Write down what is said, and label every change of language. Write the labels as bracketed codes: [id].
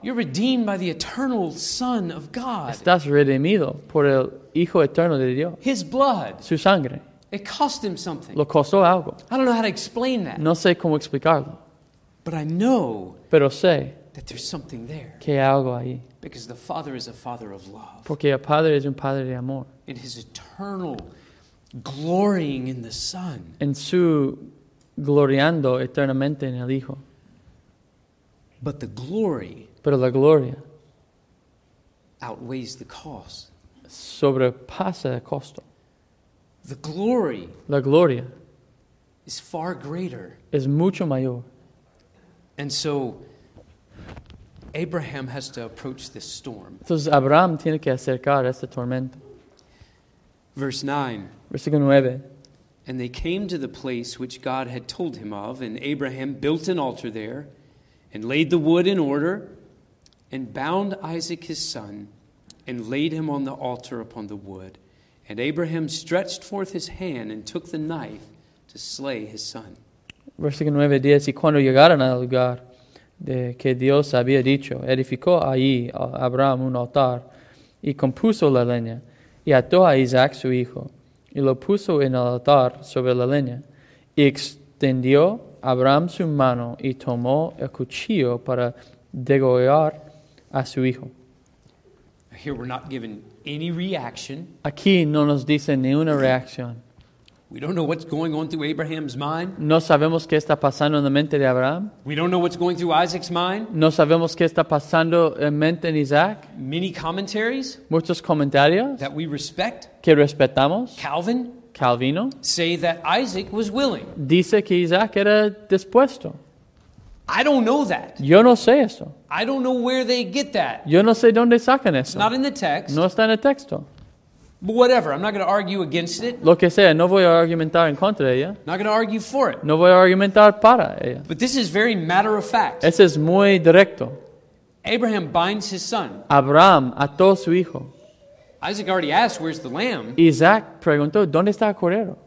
[en] You're redeemed by the eternal Son of God. [es] Estás redimido por el Hijo eterno de Dios. [en] His blood. [es] Su sangre. [en] It cost him something. [es] Lo costó algo. [en] I don't know how to explain that. [es] No sé cómo explicarlo. [en] But I know. [es] Pero sé. [en] That there's something there. [es] Que hay algo ahí. [en] Because the Father is a Father of love. [es] Porque el Padre es un Padre de amor. [en] In his eternal glorying in the Son. [es] En su gloriando eternamente en el Hijo. [en] But the glory, [es] pero la gloria, [en] outweighs the cost. [es] Sobrepasa el costo. [en] The glory, [es] la gloria, [en] is far greater. [es] Es mucho mayor. [en] And so, Abraham has to approach this storm. [es] Entonces Abraham tiene que acercar a este tormento. [en] Verse 9. [es] Versículo 9. [en] And they came to the place which God had told him of, and Abraham built an altar there. And laid the wood in order, and bound Isaac his son, and laid him on the altar upon the wood. And Abraham stretched forth his hand and took the knife to slay his son. [es] Versículo 9, 10. Y cuando llegaron al lugar de que Dios había dicho, edificó allí Abraham un altar, y compuso la leña, y ató a Isaac su hijo, y lo puso en el altar sobre la leña, y extendió Abraham su mano y tomó el cuchillo para degollar a su hijo. [en] Here we're not given any reaction. [es] Aquí no nos dicen ni una reacción. [en] We don't know what's going on through Abraham's mind. [es] No sabemos qué está pasando en la mente de Abraham. [en] We don't know what's going through Isaac's mind. [es] No sabemos qué está pasando en mente de Isaac. [en] Many commentaries. [es] Muchos comentarios. [en] That we respect. [es] Que respetamos. [en] Calvin. [es] Calvino, [en] say that Isaac was willing. [es] Dice que Isaac era dispuesto. [en] I don't know that. [es] Yo no sé eso. [en] I don't know where they get that. [es] Yo no sé dónde sacan eso. [en] Not in the text. [es] No está en el texto. [en] But whatever, I'm not going to argue against it. [es] Lo que sea, no voy a argumentar en contra de ella. [en] Not going to argue for it. [es] No voy a argumentar para ella. [en] But this is very matter of fact. [es] Eso es muy directo. [en] Abraham binds his son. [es] Abraham ató su hijo. [en] Isaac already asked, "Where's the lamb?" [es] Isaac preguntó, "¿Dónde está el cordero?"